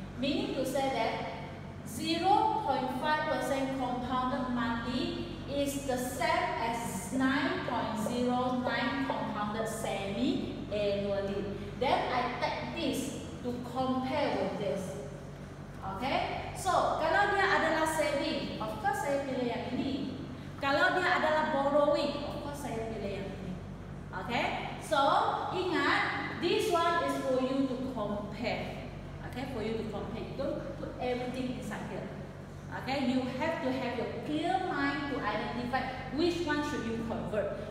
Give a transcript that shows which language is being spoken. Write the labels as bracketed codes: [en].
[en] Meaning to say that 0.5% compounded monthly is the same as 9.09 compounded saving annually. Then I take this to compare with this. Okay? [ms] So, kalau dia adalah saving, [en] of course [ms] saya pilih yang ini. Kalau dia adalah borrowing, [en] of course [ms] saya pilih yang ini. [en] Okay? So, [ms] ingat, [en] this one is for you to compare. Okay? For you to compare. Don't put everything inside here. Okay? You have to have your clear mind to identify which one should you convert.